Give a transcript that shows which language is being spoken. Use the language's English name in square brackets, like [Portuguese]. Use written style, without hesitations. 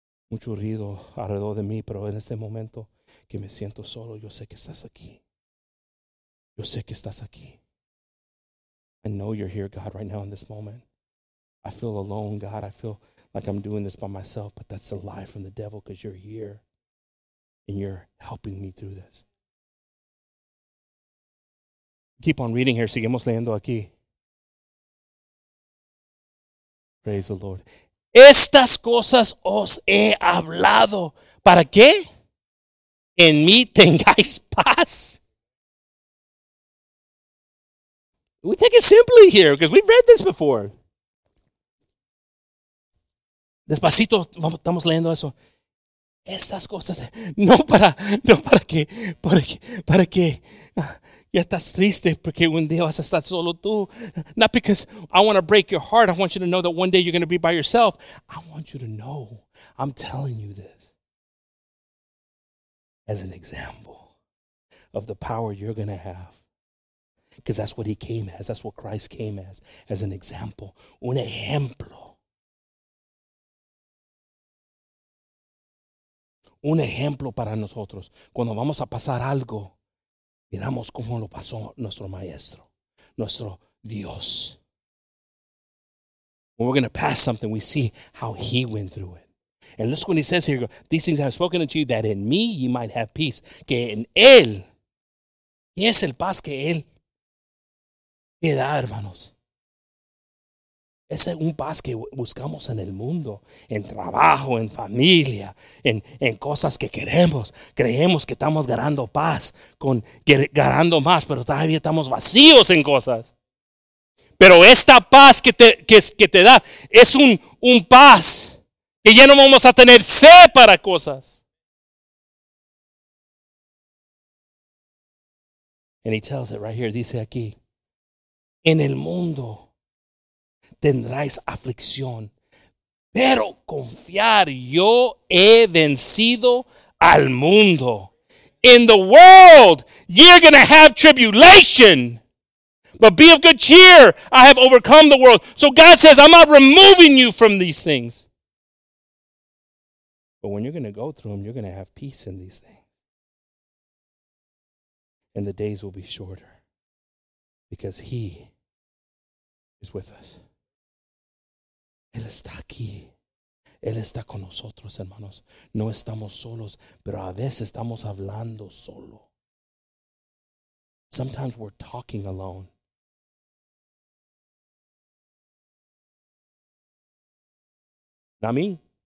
[Spanish] Mucho ruido alrededor de mí, pero en este momento que me siento solo, yo sé que estás aquí. Yo sé que estás aquí. [English] I know you're here, God, right now in this moment. I feel alone, God. I feel like I'm doing this by myself, but that's a lie from the devil because you're here and you're helping me through this. Keep on reading here. [Spanish] Seguimos leyendo aquí. [English] Praise the Lord. [Spanish] Estas cosas os he hablado. ¿Para qué? En mí tengáis paz. [English] We take it simply here because we've read this before. [Spanish] Despacito, estamos leyendo eso. Estas cosas, no para que ya estás triste porque un día vas a estar solo tú. [English] Not because I want to break your heart. I want you to know that one day you're going to be by yourself. I want you to know. I'm telling you this as an example of the power you're going to have. Because that's what he came as. That's what Christ came as an example. [Spanish] Un ejemplo. Un ejemplo para nosotros. Cuando vamos a pasar algo, miramos cómo lo pasó nuestro maestro, nuestro Dios. [English] When we're going to pass something, we see how he went through it. And listen to what he says here. These things I have spoken unto you, that in me ye might have peace. [Spanish] Que en él, y es el paz que él te da, hermanos. Ese es un paz que buscamos en el mundo, en trabajo, en familia, en cosas que queremos. Creemos que estamos ganando paz, ganando más, pero todavía estamos vacíos en cosas. Pero esta paz que te da es un paz que ya no vamos a tener sed para cosas. [English] And he tells it right here, [Spanish] dice aquí, en el mundo tendráis aflicción, pero confiar, yo he vencido al mundo. [English] In the world, you're going to have tribulation, but be of good cheer, I have overcome the world. So God says, I'm not removing you from these things. But when you're going to go through them, you're going to have peace in these things. And the days will be shorter because he is with us. [Spanish] Él está aquí. Él está con nosotros, hermanos. No estamos solos, pero a veces estamos hablando solo. [English] Sometimes we're talking alone. Not me.